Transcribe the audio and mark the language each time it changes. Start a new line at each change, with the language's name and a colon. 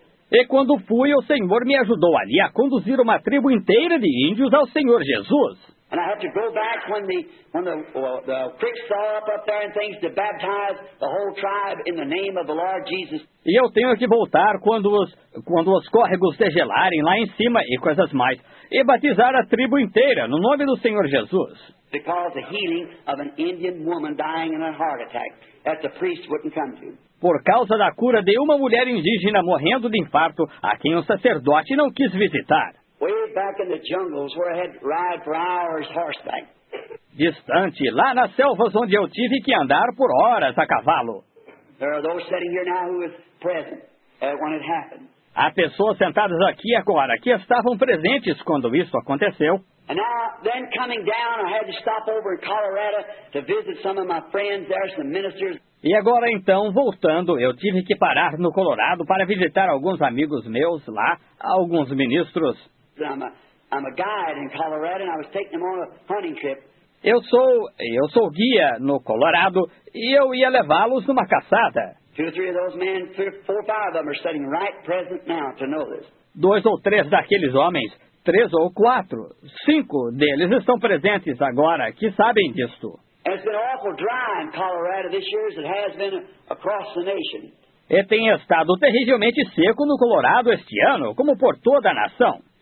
Portuguese: E quando fui, o Senhor me ajudou ali a conduzir uma tribo inteira de índios ao Senhor Jesus.
English: And I have to go back when the creeks saw up there and things to baptize the whole tribe in the name of the Lord Jesus.
Portuguese: E eu tenho que voltar quando os córregos degelarem lá em cima e coisas mais e batizar a tribo inteira no nome do Senhor Jesus.
English: Because the healing of an Indian woman dying in a heart attack that the priest wouldn't come to.
Portuguese: Por causa da cura de uma mulher indígena morrendo de infarto a quem o sacerdote não quis visitar.
English: Way back in the jungles where I had to ride for hours horseback.
Portuguese: Distante, lá nas selvas onde eu tive que andar por horas a cavalo.
English: There are those sitting here now who were present when it happened.
Portuguese: Há pessoas sentadas aqui agora que estavam presentes quando isso aconteceu.
English: And now, then coming down, I had to stop over in Colorado to visit some of my friends there, some ministers.
Portuguese: E agora então, voltando, eu tive que parar no Colorado para visitar alguns amigos meus lá, alguns ministros.
English: I'm a guide in Colorado and I was taking them on a hunting trip.
Portuguese: Eu sou guia no Colorado e eu ia levá-los numa caçada.
English: Two or three of those men, four or five of them are sitting right present now to know this.
Portuguese: Dois ou três daqueles homens, três ou quatro, cinco deles estão presentes agora que sabem disto.
English: It's been awful dry in Colorado this year as it has been across the nation.
Portuguese: E tem estado terrivelmente seco no Colorado este ano, como por toda a nação.